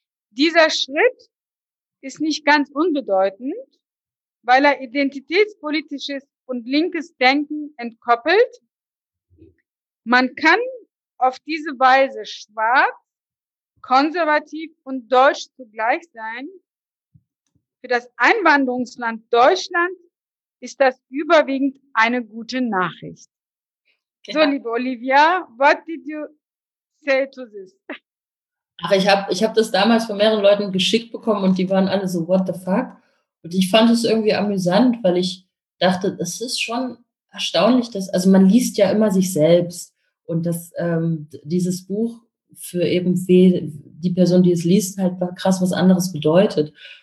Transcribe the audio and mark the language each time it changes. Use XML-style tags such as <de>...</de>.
<de>Dieser Schritt ist nicht ganz unbedeutend, weil er identitätspolitisches und linkes Denken entkoppelt. Man kann auf diese Weise schwarz, konservativ und deutsch zugleich sein. Für das Einwanderungsland Deutschland ist das überwiegend eine gute Nachricht. Genau. So, liebe</de> <en>Olivia, what did you say to this?</en> <de>Ach, ich hab das damals von mehreren Leuten geschickt bekommen und die waren alle so,</de> <en>what the fuck?</en> <de>Und ich fand es irgendwie amüsant, weil ich dachte, es ist schon erstaunlich, dass, also man liest ja immer sich selbst und dass dieses Buch für eben die Person, die es liest, halt krass was anderes bedeutet.</de>